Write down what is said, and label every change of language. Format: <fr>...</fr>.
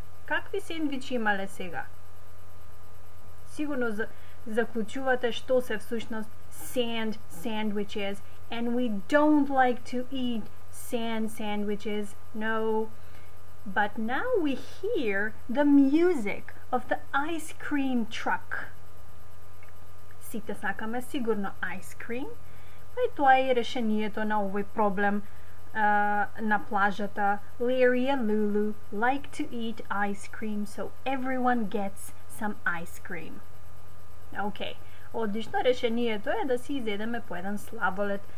<mk>Какви сендвичи имале сега? Сигурно заклучувате што се всушност sand sandwiches.</mk> <en>And we don't like to eat sand sandwiches, no. But now we hear the music of the ice cream truck.</en> <mk>Сите сакаме сигурно ice cream. Па тоа е решението на овој проблем на плажата.</mk> <en>Larry and Lulu like to eat ice cream, so everyone gets some ice cream.</en> <mk>Okay, одлично решението е да си изедеме по еден слаболед.</mk>